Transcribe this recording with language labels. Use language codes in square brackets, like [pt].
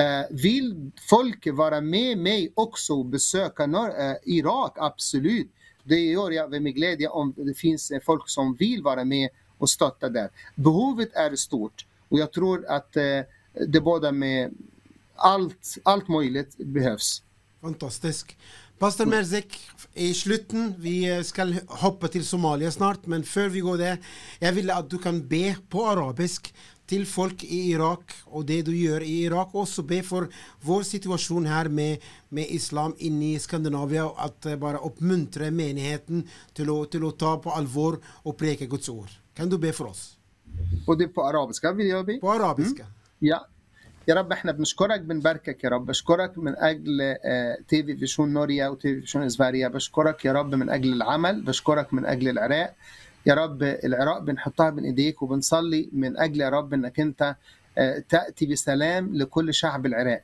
[sv] Vill folk vara med mig också och besöka Irak? Absolut. Det gör jag med glädje om det finns folk som vill vara med och stötta där. Behovet är stort, och jag tror att det både med allt möjligt behövs. [no] Fantastisk. Pastor Mørsik, i slutten, vi skal hoppe til Somalia snart, men før vi går der, jeg vil at du kan be på arabisk til folk i Irak, og det du gjør i Irak, også be for vår situasjon her med islam inni Skandinavia, og at bare oppmuntre menigheten til å ta på alvor og preke Guds ord. Kan du be for oss? Og det på arabiska vil jeg be? [sv] På arabiska. Ja. [ar] يا رب احنا بنشكرك بنباركك يا رب. بشكرك من اجل تي في فيشون نوريا وتي في فيشون اسفاريا. بشكرك يا رب من اجل العمل. بشكرك من اجل العراق يا رب. العراق بنحطها بين ايديك وبنصلي من اجل يا رب انك انت تأتي بسلام لكل شعب العراق.